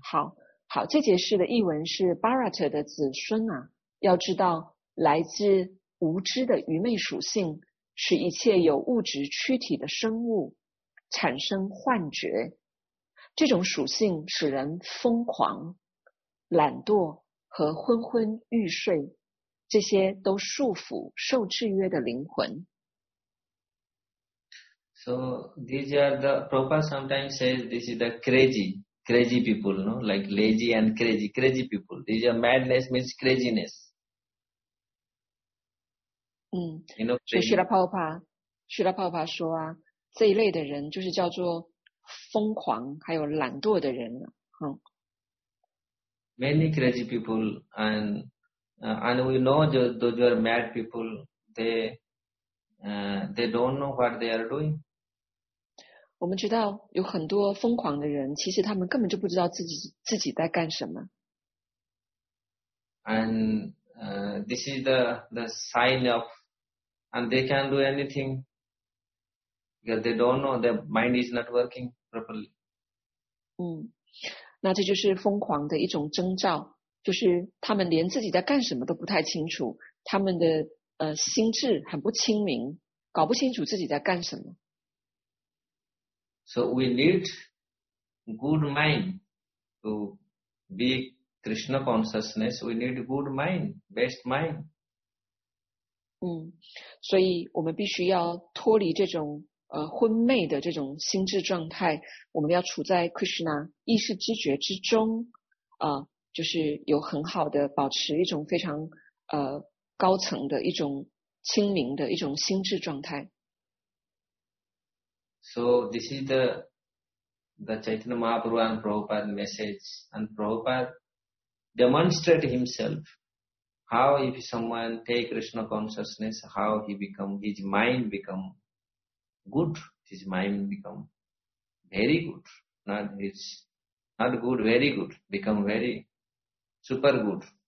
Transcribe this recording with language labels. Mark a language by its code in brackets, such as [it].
[zh] 好好，这节诗的译文是 Bharat 的子孙啊，要知道来自无知的愚昧属性，使一切有物质躯体的生物产生幻觉。这种属性使人疯狂、懒惰。和昏昏欲睡，这些都束缚受制约的灵魂。 [en] So these are the Prabhupada sometimes says this is the crazy people, no? Like lazy and crazy people. These are madness means craziness. You know, [zh] 所以Srila Prabhupada 说啊，这一类的人就是叫做疯狂还有懒惰的人了，嗯。 [en] Many crazy people and we know those are mad people, they don't know what they are doing. [zh] 我们知道有很多疯狂的人，其实他们根本就不知道自己在干什么。 [en] And this is the sign of, and they can't do anything because they don't know, their mind is not working properly. [zh] 那这就是疯狂的一种征兆，就是他们连自己在干什么都不太清楚，他们的心智很不清明，搞不清楚自己在干什么。 [en] So we need good mind to be Krishna consciousness. We need good mind, best mind. [zh] 所以我们必须要脱离这种昏昧的这种心智状态，我们要处在 Krishna 意识知觉之中，就是有很好的保持一种非常高层的一种清明的一种心智状态。 [en] So this is the Chaitanya Mahaprabhu and Prabhupada message, and Prabhupada demonstrate himself how if someone take Krishna consciousness, how he become, his mind become good, his mind become very good, not very good, become very super good.